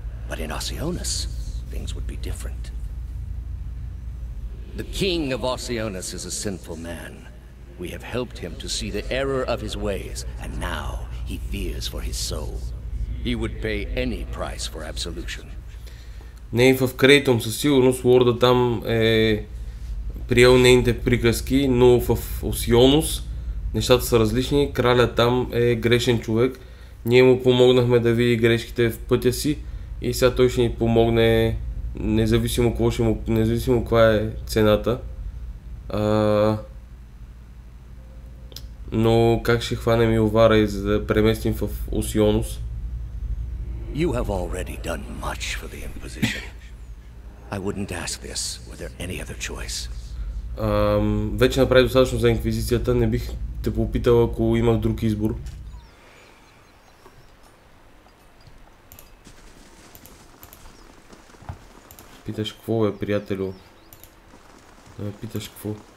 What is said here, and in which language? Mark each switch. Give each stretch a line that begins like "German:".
English: But in Osionis, things would be different. The king of Osionis is a sinful man. We have helped him to see the error of his ways, and now he fears for his soul. He would pay any price for absolution.
Bulgarian: Не, в Кратум със сигурност лордът там е приел нейните приказки, но в Осионус нещата са различни. Краля там е грешен човек. Ние му помогнахме да види грешките в пътя си и сега той ще ни помогне, независимо какво ще му, независимо каква е цената. Но как ще хванем Йовара и за да преместим в Осионус?
English: You have already done much for the Inquisition. I wouldn't ask this. Were there any other choice?
Bulgarian: Вече направи достатъчно за инквизицията. Не бих те попитал, ако имах друг избор. Питаш какво, бе, приятелю? Питаш какво?